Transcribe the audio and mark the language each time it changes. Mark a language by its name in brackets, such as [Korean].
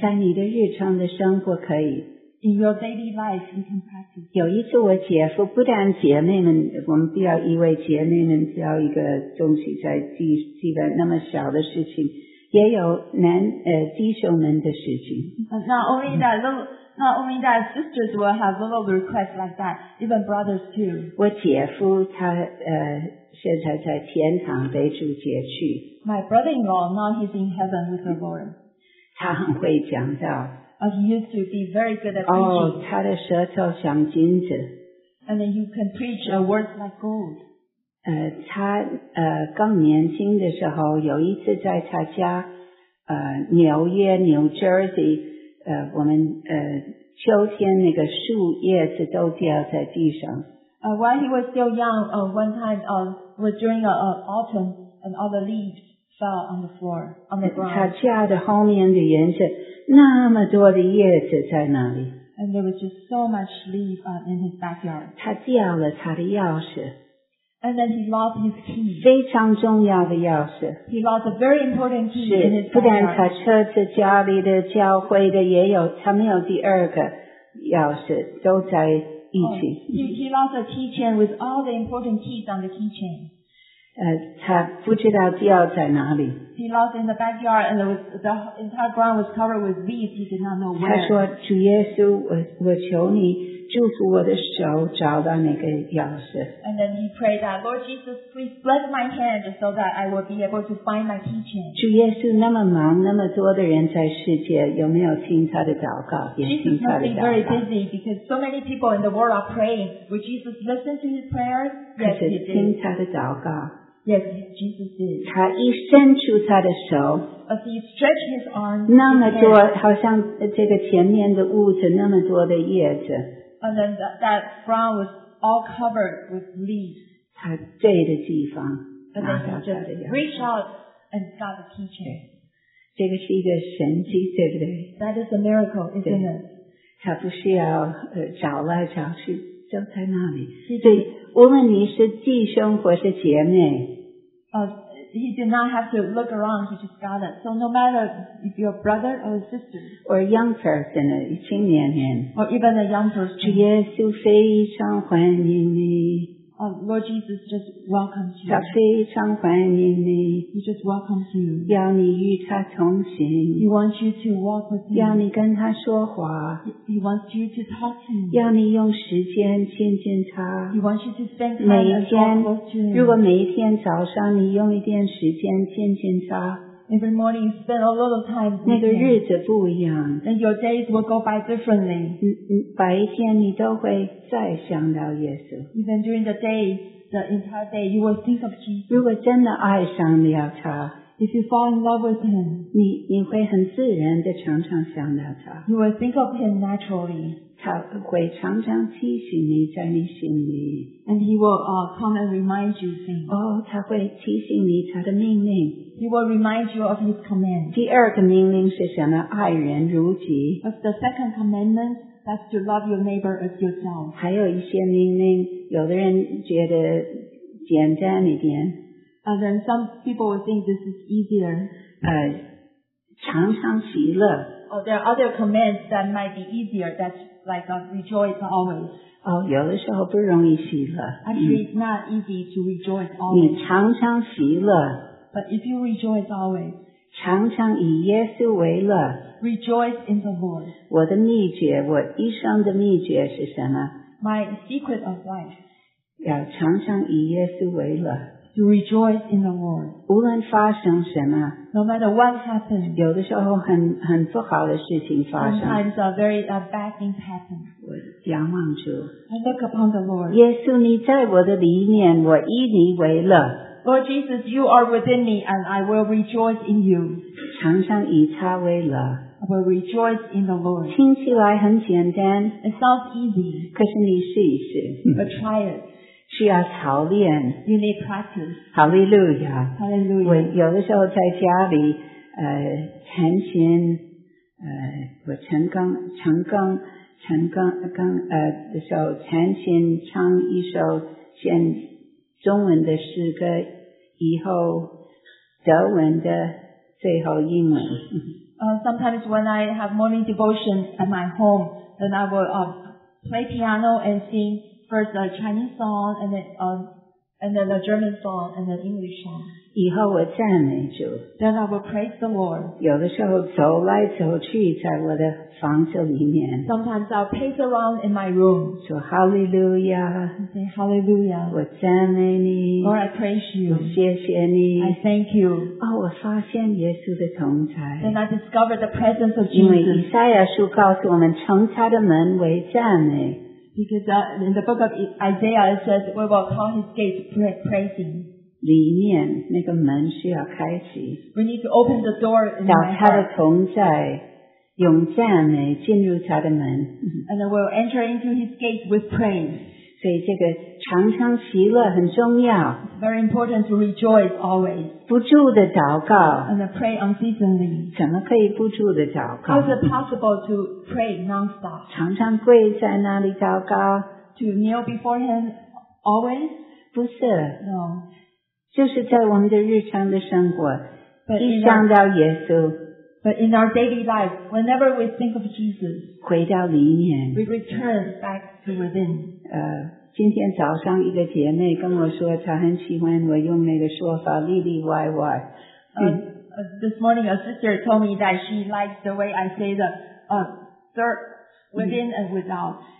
[Chinese] 在你的日常的生活可以。 [English] In your daily life, you can practice. [Chinese] 有一次我姐夫不但姐妹们，我们不要以为姐妹们只要一个东西在记得那么小的事情，也有弟兄们的事情。 [English] Not only that, sisters will have little requests like that, even brothers too. [Chinese] 我姐夫他现在在天堂被主接去。 [English] My brother-in-law, now he's in heaven with the Lord. [Chinese] 他很会讲道。 [English] He used to be very good at preaching. [Chinese] 他的舌头像金子。 [English] And then you can preach a word like gold. [Chinese] 他更年轻的时候，有一次在他家，纽约 New Jersey， 我们秋天那个树叶子都掉在地上。 [English] While he was still young, one time was during autumn, and all the leaves fell on the floor, on the ground. [Chinese] 他家的后面的园子那么多的叶子在那里。 [English] And there was just so much leaf in his backyard. [Chinese] 他掉了他的钥匙。 [English] And then he lost his key. [Chinese] 非常重要的钥匙。 [English] He lost a very important key in his backyard. [Chinese] 不但他车子家里的教会的也有，他没有第二个钥匙，都在。 [English] He lost a keychain with all the important keys on the keychain. [Chinese] 他不知道掉在哪里。 [English] he lost in the backyard and the entire ground was covered with weeds. He did not know where. [Chinese] 他说主耶稣，我求你祝福我的手找到那个钥匙。 [English] And then he prayed that, Lord Jesus, please bless my hand so that I will be able to find my keychain. [Chinese] 主耶稣那么忙，那么多的人在世界，有没有听他的祷告？也听他的祷告。 [English] Jesus must be very busy because so many people in the world are praying. Would Jesus listen to his prayer? Yes, he did. [Chinese] 听他的祷告。 [English] Yes, Jesus did. [Chinese] 他一伸出他的手。 [English] As he stretched his arms. [Chinese] 那么多，好像这个前面的屋子，那么多的叶子。 [English] And then that ground was all covered with leaves. [Chinese] 他对的地方。 [English] But then he just reached out and got the keychain. [Chinese] 这个是一个神迹，对不对？ [English] That is a miracle, isn't it? [Chinese] 他不需要找来找去，就在那里。对，无论你是弟兄或是姐妹。 [English] He did not have to look around, he just got it. So no matter if you're a brother or a sister, or a young person, a [Chinese] 青年人, [English] or even a young person, [Chinese] 耶稣非常欢迎你, [English] Lord Jesus just welcomes you. [Chinese] 他非常欢迎你, [English] he just welcomes you. [Chinese] 要你与他同行, [English] he wants you to walk with him. [Chinese] 要你跟他说话, [English] he wants you to talk to him. [Chinese] 要你用时间亲近他, [English] he wants you to spend time and talk with him. [Chinese] 如果每一天早上你用一点时间亲近他, [English] every morning you spend a lot of time with him. [Chinese] 那个日子不一样, [English] and your days will go by differently. [Chinese] 白天你都会再想到耶稣, [English] even during the day, the entire day, you will think of Jesus. [Chinese] 如果真的爱上了他, [English] if you fall in love with him, [Chinese] 你会很自然地常常想到他, [English] you will think of him naturally. [Chinese] 他会常常提醒你在你心里, [English] and he will come and remind you things. [Chinese] 他会提醒你他的命令, [English] he will remind you of his command. [Chinese] 第二个命令是什么？爱人如己。 [English] But the second commandment,that's to love your neighbor as yourself. [Chinese] 还有一些命令，有的人觉得简单一点。 [English] And then some people will think this is easier. [Chinese] 常常喜乐。 [English] Oh, there are other commands that might be easier. That's like rejoice always. [Chinese] 有的时候不容易喜乐。 [English] Actually, it's not easy to rejoice always. [Chinese] 你常常喜乐。 [English] But if you rejoice always. [Chinese] 常常以耶稣为乐。 [English] Rejoice in the Lord. [Chinese] 我的秘诀，我一生的秘诀是什么？ [English] My secret of life. [Chinese] 要常常以耶稣为乐。 [English] To rejoice in the Lord. [Chinese] 无论发生什么。 [English] No matter what happens. [Chinese] 有的时候很不好的事情发生。 [English] Sometimes a very bad thing happens. [Chinese] 我仰望主。 [English] I look upon the Lord. [Chinese] 耶稣你在我的里面，我以你为乐。 [English] Lord Jesus, you are within me and I will rejoice in you. [Chinese] 常常以他为乐。 [English] I will rejoice in the Lord. [Chinese] 听起来很简单。 [English] It sounds easy. [Chinese] 可是你试一试。 [English] But try it. [Chinese] 需要操练。 [English] You need practice. Hallelujah. Hallelujah. [Chinese] 我有的时候在家里弹琴我成功的时候弹琴唱一首先中文的诗歌以后德文的最后英文。 [English] Sometimes when I have morning devotion at my home, then I will play piano and sing first a Chinese song and then a German song and then English song. [Chinese] 以后我赞美主。 [English] Then I will praise the Lord. [Chinese] 有的时候走来走去在我的房子里面。 [English] Sometimes I'll pace around in my room. [Chinese] 说 Hallelujah. [English] Say Hallelujah. [Chinese] 我赞美你。 [English] Lord, I praise you. [Chinese] 我谢谢你。 [English] I thank you. [Chinese] 我发现耶稣的同在。 [English] Then I discover the presence of Jesus. [Chinese] 因为以赛亚书告诉我们从他的门为赞美。 [English] Because in the book of Isaiah it says we will call his gates praising. [Chinese] 里面那个门需要开启。 [English] We need to open the door in my heart. [Chinese] 找他的同在。用赞美进入他的门。 [English] And then we'll enter into his gates with praise. [Chinese] 所以这个常常喜乐很重要。 [English] It's very important to rejoice always. [Chinese] 不住的祷告。 [English] And pray unceasingly. [Chinese] 怎么可以不住的祷告？ [English] How is it possible to pray non-stop? [Chinese] 常常跪在那里祷告。 [English] To kneel before him always? [Chinese] 不是。 [English] No. [Chinese] 就是在我们的日常的生活。 [English] But、 [Chinese] 一想到耶稣。 [English] But in our daily life, whenever we think of Jesus, [Chinese] 回到里面, [English] we return back to within. [Chinese] 今天早上一个姐妹跟我说她很喜欢我用那个说法历历外外。 [English] this morning a sister told me that she likes the way I say the third within and without.